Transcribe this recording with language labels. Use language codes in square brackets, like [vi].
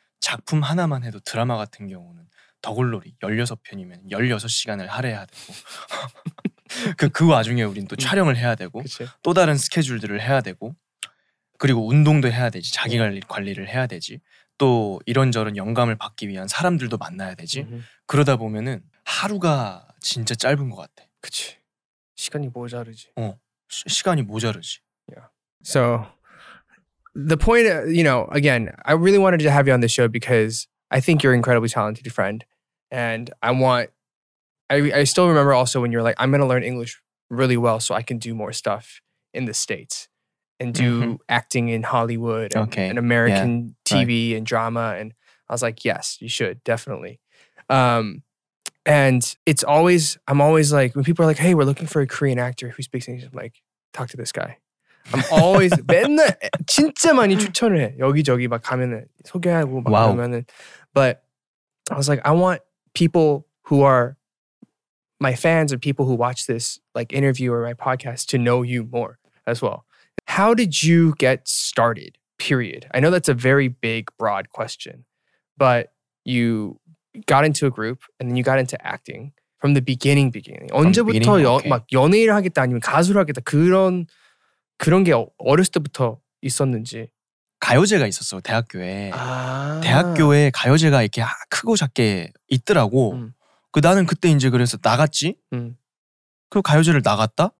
[ko] 작품 하나만 해도 드라마 같은 경우는 더글로리 16편이면 16시간을 할애해야 되고 그 와중에 우린 또 촬영을 해야 되고 그치? 또 다른 스케줄들을 해야 되고 그리고 운동도 해야 되지. 자기 관리를 해야 되지. 또 이런저런 영감을 받기 위한 사람들도 만나야 되지. 그러다 보면은 하루가 진짜 짧은 것 같아. 그치. 시간이 모자르지. 시간이 모자르지. [en] Yeah. So the point, you know, again, I really wanted to have you on the show because I think you're an incredibly talented friend. And I still remember also when you were like, I'm going to learn English really well so I can do more stuff in the States. And do mm-hmm. acting in Hollywood and, okay. and American yeah. TV right. and drama. And I was like, yes, you should. Definitely. And it's always… I'm always like… When people are like, hey, we're looking for a Korean actor who speaks English. I'm like, talk to this guy. I'm always… [ko] 맨날 진짜 많이 추천을 해. 여기저기 막 가면은 소개하고 막 [en] wow. [ko] 그러면은. [en] But I was like, I want people who are… My fans or people who watch this like interview or my podcast to know you more as well. How did you get started, period? I know that's a very big, broad question. But you got into a group and then you got into acting from the beginning. From [ko] 언제부터 [en] beginning? Okay. [ko] 막 연예인을 하겠다 아니면 가수를 하겠다 그런 게 어렸을 때부터 있었는지. 가요제가 있었어, 대학교에. 아. 대학교에 가요제가 이렇게 크고 작게 있더라고. 그 나는 그때 이제 그래서 나갔지. 그 가요제를 나갔다.